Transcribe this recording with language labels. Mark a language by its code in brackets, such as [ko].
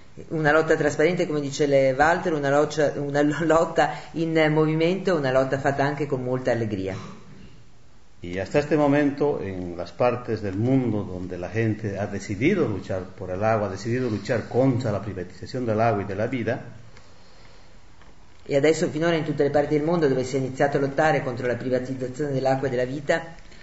[it] Una lotta trasparente, come dice Walter, una lotta in movimento, una lotta fatta anche con molta allegria. [es] Y hasta este momento en las partes del mundo donde la gente ha decidido luchar por el agua, ha decidido luchar contra la privatización del agua y de la vida. [it] E adesso finora in tutte le parti del mondo dove si è iniziato a lottare contro la privatizzazione dell'acqua e della vita